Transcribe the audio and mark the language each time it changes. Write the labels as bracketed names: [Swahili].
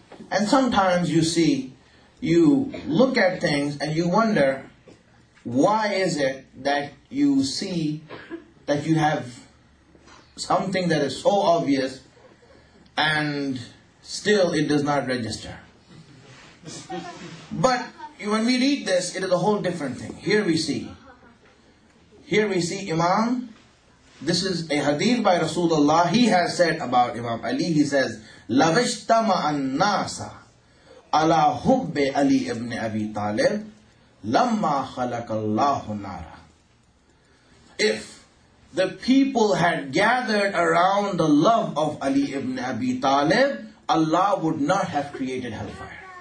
[English] And sometimes you see, you look at things and you wonder, why is it that you see that you have something that is so obvious and still it does not register? But when we read this, it is a whole different thing. Here we see Imam. This is a hadith by Rasulullah. He has said about Imam Ali, he says, [Arabic] لَوَجْتَمَ النَّاسَ عَلَىٰ حُبِّ عَلِي إِبْنِ أَبِي طَالِبِ لَمَّا خَلَقَ اللَّهُ نَارَ. [English] If the people had gathered around the love of Ali ibn Abi Talib, Allah would not have created hellfire.